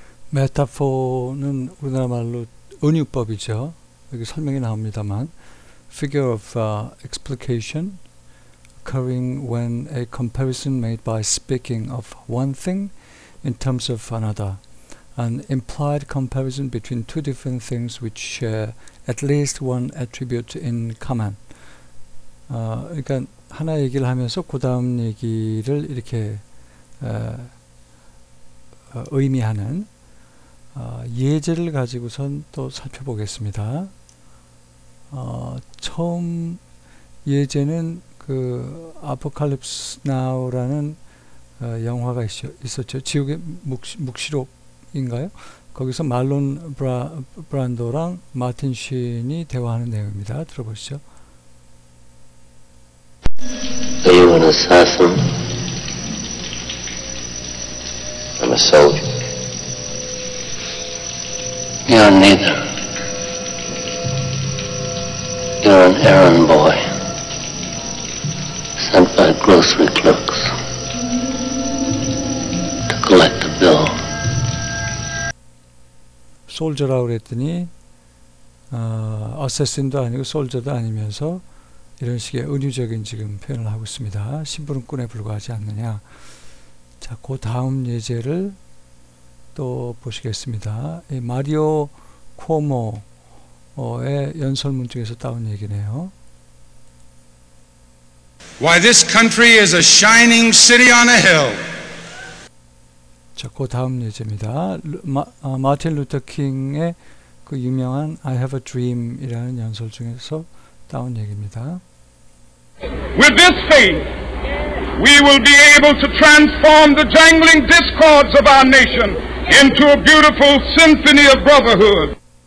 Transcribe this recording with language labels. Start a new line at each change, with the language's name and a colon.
Korean: 메타포는 우리나라 말로 은유법이죠.
English: 여기 설명이 나옵니다만, figure of explication occurring when a comparison made by speaking of one thing in terms of another, an implied comparison between two different things which share at least one attribute in common.
Korean: 그러니까 하나 얘기를 하면서 그 다음 얘기를 이렇게 의미하는 예제를 가지고선 또 살펴보겠습니다. 처음 예제는 그 아포칼립스 나우라는 영화가 있었죠. 지옥의 묵시록인가요? 거기서 말론 브란도랑 마틴 신이 대화하는 내용입니다. 들어보시죠.
English: Are you an assassin? I'm a soldier. You're neither. You're an errand boy sent by grocery clerks to collect the bill.
Korean: Soldier라고 그랬더니, assassin도 아니고 soldier도 아니면서 이런 식의 은유적인 지금 표현을 하고 있습니다. 심부름꾼에 불과하지 않느냐. 자, 그 다음 예제를 또 보시겠습니다. 이 마리오 쿠오모의 연설문 중에서 따온 얘기네요.
English: Why this country is a shining city on a hill.
Korean: 자, 그 다음 예제입니다. 마틴 루터 킹의 그 유명한
English: I have a dream
Korean: 이라는 연설 중에서 따온 얘기입니다.
English: With this faith, we will be able to transform the jangling discords of our nation into a beautiful symphony of brotherhood.